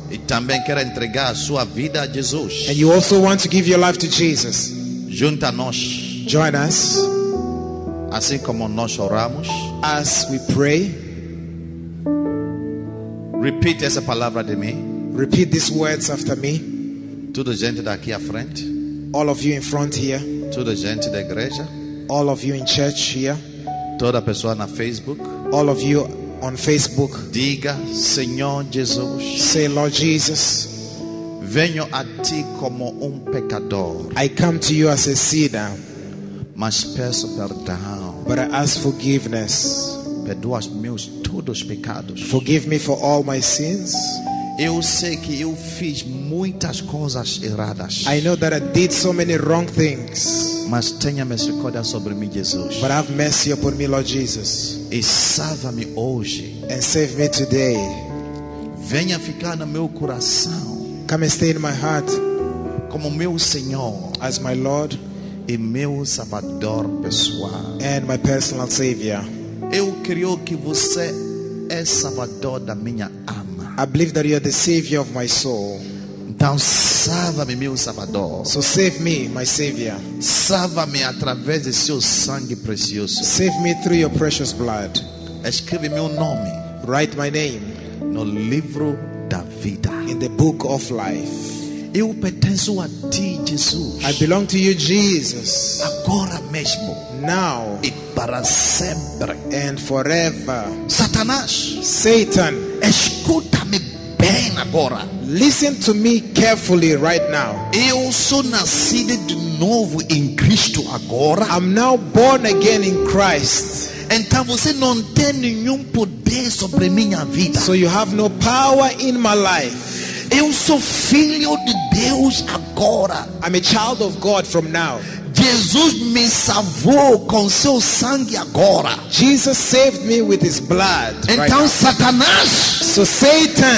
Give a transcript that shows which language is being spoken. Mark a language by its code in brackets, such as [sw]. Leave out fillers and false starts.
[pt] e também quer entregar a sua vida a Jesus, [en] and you also want to give your life to Jesus, [pt] junta nós, [en] join us, [pt] assim como nós oramos, [en] as we pray, repeat [pt] essa palavra de mim, [en] repeat these words after me, [pt] toda a gente daqui à frente, [en] all of you in front here, [pt] toda a gente da igreja, [en] all of you in church here, [pt] toda a pessoa na Facebook, [en] all of you on Facebook, [pt] diga Senhor Jesus, [en] say Lord Jesus, [pt] venho a ti como pecador, [en] I come to you as a sinner, [pt] mas peço perdão, [en] but I ask forgiveness, [pt] perdoas meus todos pecados, [en] forgive me for all my sins, [pt] eu sei que eu fiz muitas coisas erradas, [en] I know that I did so many wrong things, [pt] mas tenha misericórdia sobre mim, Jesus. [en] But have mercy upon me, Lord Jesus. [pt] E salva-me hoje. [en] And save me today. [pt] Venha ficar no meu coração. [en] Come and stay in my heart. [pt] Como meu Senhor. [en] As my Lord. [pt] E meu Salvador pessoal. [en] And my personal Savior. [pt] Eu creio que você é Salvador da minha alma. [en] I believe that you are the Savior of my soul. [pt] Então salva-me, meu Salvador. [en] So save me, my Savior. [pt] Salva-me através de seu sangue precioso. [en] Save me through your precious blood. [pt] Escreve meu nome. [en] Write my name. [pt] No livro da vida. [en] In the book of life. [pt] Eu pertenço a ti, Jesus. [en] I belong to you, Jesus. [pt] Agora mesmo. [en] Now. [pt] E para sempre. [en] And forever. [pt] Satanás. [en] Satan. [pt] Escuta-me bem agora. [en] Listen to me carefully right now. [pt] Eu sou nascido de novo em Cristo agora. [en] I'm now born again in Christ. [pt] Então você não tem nenhum poder sobre minha vida. [en] So you have no power in my life. [pt] Eu sou filho de Deus agora. [en] I'm a child of God from now. [pt] Jesus me salvou com seu sangue agora. [en] Jesus saved me with his blood. [pt] Então right, Satanás. [en] So Satan.